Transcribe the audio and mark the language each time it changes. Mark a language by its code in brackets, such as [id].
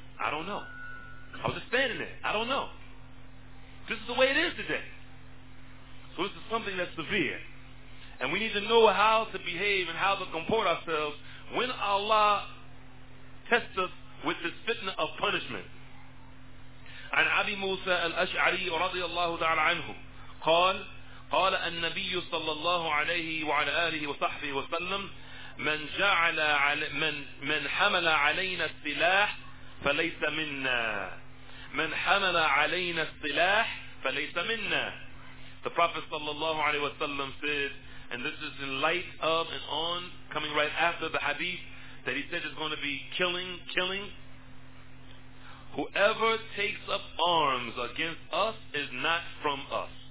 [en] I don't know. I was just standing there. I don't know. This is the way it is today. So this is something that's severe. And we need to know how to behave and how to comport ourselves when Allah tests us with this fitna of punishment. [ar] عن أبي موسى الأشعري رضي الله تعالى عنه قال قال النبي صلى الله عليه وعلى آله وصحبه وسلم من جعل من حمل علينا السلاح فليس منا من حمل علينا السلاح فليس منا. [en] The Prophet صلى الله عليه وسلم said, and this is in light of and on, coming right after the hadith that he said is going to be killing. Whoever takes up arms against us is not from us.